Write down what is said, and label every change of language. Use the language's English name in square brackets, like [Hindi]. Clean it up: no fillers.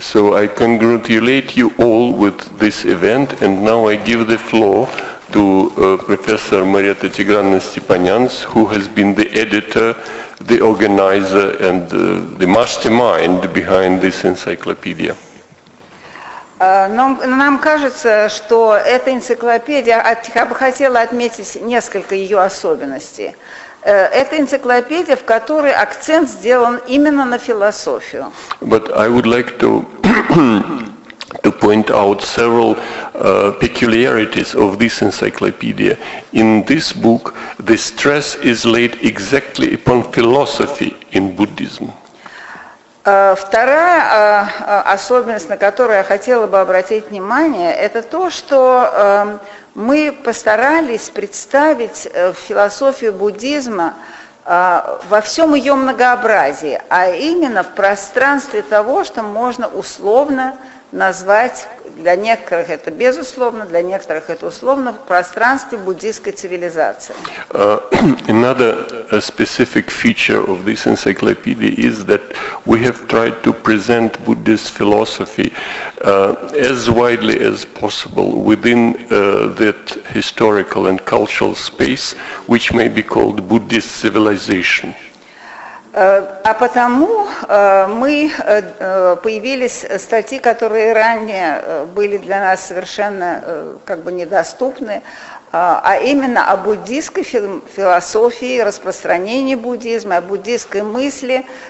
[English] So I congratulate you all with this event, and now I give the floor to Professor Мариете Тиграновне Степаненко, who has been the editor, the organizer, and the mastermind behind this encyclopedia. [Russian] Нам кажется, что эта энциклопедия, я бы хотела отметить несколько ее особенностей. Это энциклопедия, в которой акцент сделан именно на философию. [English] But I would like to to point out several peculiarities of this encyclopedia. In this book, the stress is laid exactly upon philosophy in Buddhism. [Russian] Вторая особенность, на которую я хотела бы обратить внимание, это то, что мы постарались представить философию буддизма во всем ее многообразии, а именно в пространстве того, что можно условно назвать, для некоторых это безусловно, для некоторых это условно, в пространстве буддийской цивилизации. [English] Another specific feature of this encyclopedia is that we have tried to present Buddhist philosophy as widely as possible within that historical and cultural space, which may be called Buddhist civilization. [Russian] А потому мы появились статьи, которые ранее были для нас совершенно как бы недоступны, а именно о буддийской философии, распространении буддизма, о буддийской мысли,